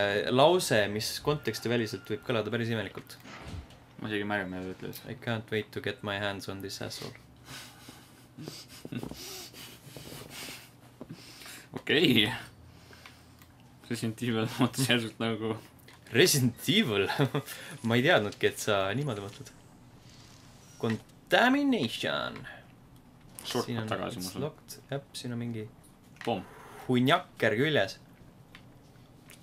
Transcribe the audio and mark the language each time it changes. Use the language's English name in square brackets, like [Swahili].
[Estonian] Lause , mis konteksti väliselt võib kõlada päris imelikult . ma isegi märgin , mida ta ütles . [English] I can't wait to get my hands on this asshole . [Estonian] okei . Resident Evil mõtles järsult nagu . Resident Evil ? ma ei teadnudki , et sa niimoodi mõtled . [English] Contamination . [Estonian] siin on tagasi , ma saan . jah , siin on mingi . pomm . hunjakker küljes .